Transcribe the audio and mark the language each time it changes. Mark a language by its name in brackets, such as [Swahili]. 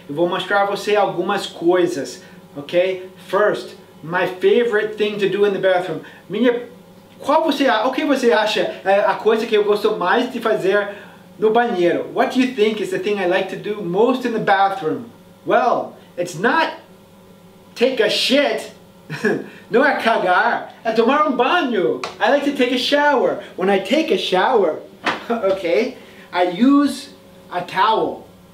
[Portuguese] Eu vou mostrar a você algumas coisas, ok? [English] First, my favorite thing to do in the bathroom. [Portuguese] O que você acha a coisa que eu gosto mais de fazer no banheiro? [English] What do you think is the thing I like to do most in the bathroom? Well, it's not take a shit. [Portuguese] Não é cagar, é tomar banho. [English] I like to take a shower. When I take a shower, okay, I use a towel.